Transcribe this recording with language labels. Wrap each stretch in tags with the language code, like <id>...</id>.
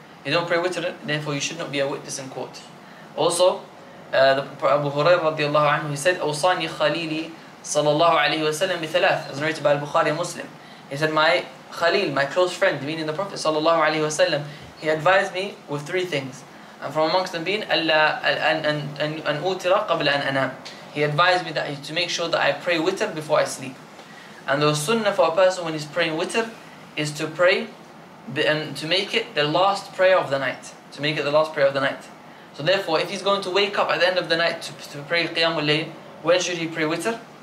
<en>You don't pray witr, therefore you should not be a witness in court. Also, Abu Hurairah radiallahu anhu, he said,</en> <ar>أوصاني خليلي صلى الله عليه وسلم بثلاث,</ar> <en>as narrated by Al-Bukhari Muslim. He said, my Khalil, my close friend, meaning the Prophet sallallahu alayhi wa sallam, he advised me with three things. And from amongst them being,</en> <ar>أن أوترى قبل أن أنام.</ar> <en>He advised me that to make sure that I pray witr before I sleep. And the sunnah for a person when he's praying witr is to pray and to make it the last prayer of the night. To make it the last prayer of the night. So therefore, if he's going to wake up at the end of the night to pray Qiyam al-Layl, when should he pray witr?</en>